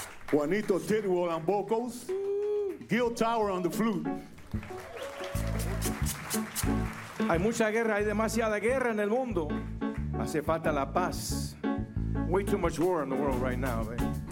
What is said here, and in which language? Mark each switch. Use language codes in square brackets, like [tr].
[en] Juanito Tidwell on vocals, Gil Tower on the flute. [es] Hay mucha guerra, hay demasiada guerra en el mundo. Hace falta la paz. [en] Way too much war in the world right now, baby.